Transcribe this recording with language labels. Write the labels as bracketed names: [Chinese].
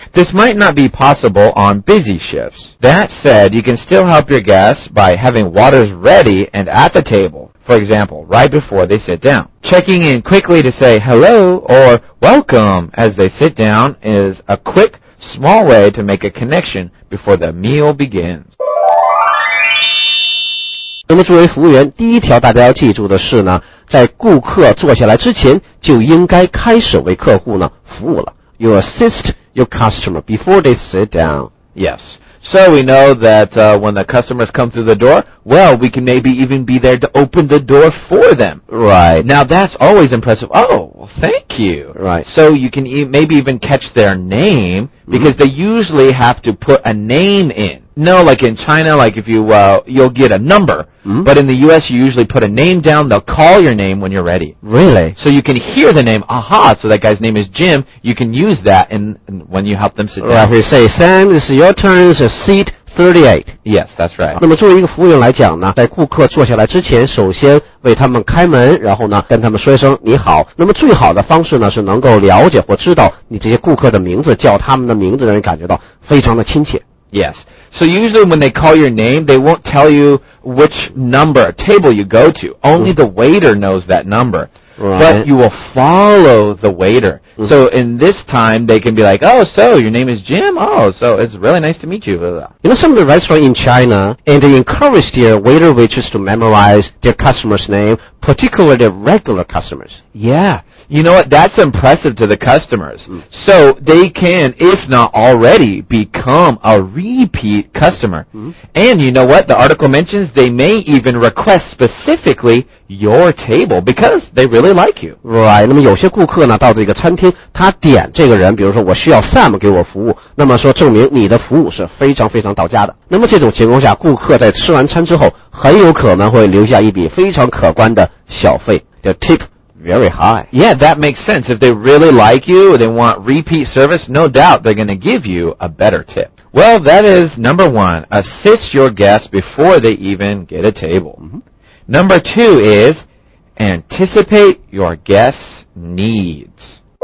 [English] This might not be possible on busy shifts. That said, you can still help your guests by having waters ready and at the table. For example, right before they sit down. Checking in quickly to say hello or welcome as they sit down is a quick, small way to make a connection before the meal begins. [Chinese] 那么作为服务员，第一条大家要记住的是呢，在顾客坐下来之前就应该开始为客户呢服务了。 [English] You assist your customer before they sit down. Yes. So we know that, when the customers come through the door, well, we can maybe even be there to open the door for them. Right. Now that's always impressive. Oh, well, thank you. Right. So you can maybe even catch their name, because they usually have to put a name in. No, like in China, like if you, you'll get a number. Mm-hmm. But in the US, you usually put a name down, they'll call your name when you're ready. Really? So you can hear the name, aha, so that guy's name is Jim, you can use that in when you help them sit down. Right, you say, Sam, this is your turn, this is seat 38. Yes, that's right. [Chinese] 那么作为一个服务员来讲呢，在顾客坐下来之前，首先为他们开门，然后呢，跟他们说一声你好。那么最好的方式呢，是能够了解或知道你这些顾客的名字，叫他们的名字，让人感觉到非常的亲切。 [English] Yes. So usually when they call your name, they won't tell you which number, table you go to. Only the waiter knows that number. Right. But you will follow the waiter. Mm-hmm. So in this time, they can be like, oh, so your name is Jim? Oh, so it's really nice to meet you. You know, some of the restaurants in China, and they encourage their waiter waitress to memorize their customer's name, particularly their regular customers. Yeah. You know what? That's impressive to the customers. Mm. So they can, if not already, become a repeat customer. Mm. And you know what? The article mentions they may even request specifically your table because they really like you. Right. [Chinese] 那么有些顾客呢，到这个餐厅，他点这个人，比如说我需要 Sam 给我服务，那么说证明你的服务是非常非常到家的。那么这种情况下，顾客在吃完餐之后，很有可能会留下一笔非常可观的小费的 tip。 [English] Very high. Yeah, that makes sense. If they really like you, they want repeat service, no doubt they're going to give you a better tip. Well, that is number one, assist your guests before they even get a table. Mm-hmm. Number two is anticipate your guests' needs.